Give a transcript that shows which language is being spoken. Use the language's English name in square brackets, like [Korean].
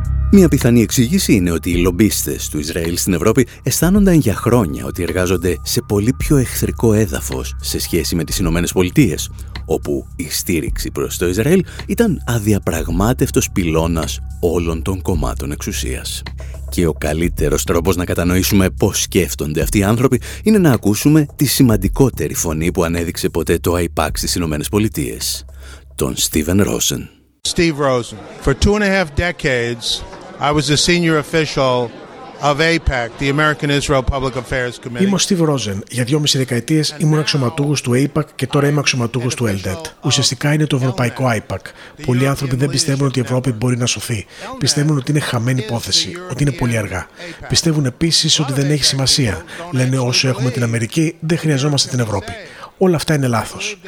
[Greek] Μια πιθανή εξήγηση είναι ότι οι λομπίστες του Ισραήλ στην Ευρώπη αισθάνονταν για χρόνια ότι εργάζονται σε πολύ πιο εχθρικό έδαφος σε σχέση με τις Ηνωμένες Πολιτείες, όπου η στήριξη προς το Ισραήλ ήταν αδιαπραγμάτευτος πυλώνας όλων των κομμάτων εξουσίας. Και ο καλύτερος τρόπος να κατανοήσουμε πώς σκέφτονται αυτοί οι άνθρωποι είναι να ακούσουμε τη σημαντικότερη φωνή που ανέδειξε ποτέ το AIPAC στις Ηνωμένες Πολιτείες, τον Στίβεν Ρόζεν. [English] Steve Rosen. For two and a half decades, I was a senior official of APAC, the American-Israel Public Affairs Committee. [Greek] Είμαι ο Στίβ Ρόζεν. Για 2,5 δεκαετίες ήμουν αξιωματούχος του APAC και τώρα είμαι αξιωματούχος του LDET. Ουσιαστικά είναι το ευρωπαϊκό IPAC. Πολλοί άνθρωποι δεν πιστεύουν ότι η Ευρώπη μπορεί να σωθεί. Πιστεύουν ότι είναι χαμένη υπόθεση, ότι είναι πολύ αργά. Πιστεύουν επίσης ότι δεν έχει σημασία. Λένε όσο έχουμε την Αμερική, δεν χρειαζόμαστε την Ευρώπη. Όλα αυτά είναι λάθος.